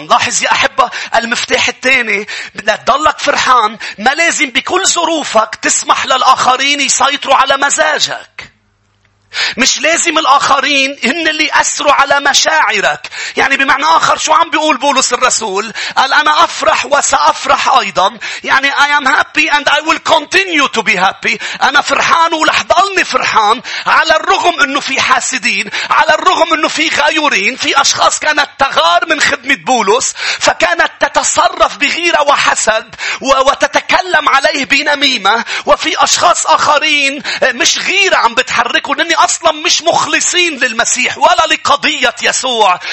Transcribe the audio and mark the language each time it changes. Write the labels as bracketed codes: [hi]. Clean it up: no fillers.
[ar] لاحظ يا أحبة المفتاح الثاني لتضلك فرحان ما لازم بكل ظروفك تسمح للآخرين يسيطروا على مزاجك. مش لازم الآخرين هن اللي أسروا على مشاعرك. يعني بمعنى آخر شو عم بيقول بولس الرسول؟ قال أنا أفرح وسأفرح أيضا. [en] يعني I am happy and I will continue to be happy. [ar] أنا فرحان ولح ضلني فرحان على الرغم أنه في حاسدين على الرغم أنه في غيورين في أشخاص كانت تغار من خدمة بولس فكانت تتصرف بغيرة وحسد وتتكلم عليه بنميمة وفي أشخاص آخرين مش غيرة عم بتحركوا إني أصلا مش مخلصين للمسيح ولا لقضية يسوع.